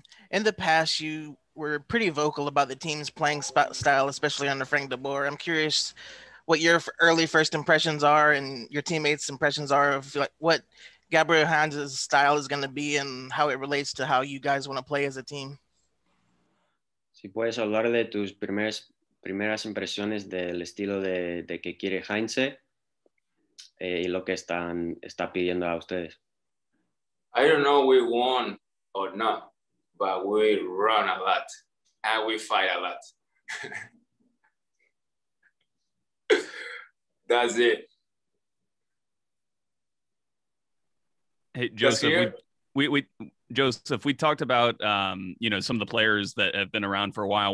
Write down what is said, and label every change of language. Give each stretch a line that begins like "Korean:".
English: In the past, you were pretty vocal about the team's playing style, especially under Frank DeBoer. I'm curious what your early first impressions are and your teammates' impressions are of like what Gabriel Hans's style is going to be and how it relates to how you guys want to play as a team.
Spanish: Si puedes hablar de tus primeras impresiones del estilo de que quiere Hans y lo que está pidiendo a ustedes.
English: I don't know if we won or not, but we run a lot and we fight a lot. That's it. Hey, Joseph, we talked about, you know, some of the players that have been around for a while.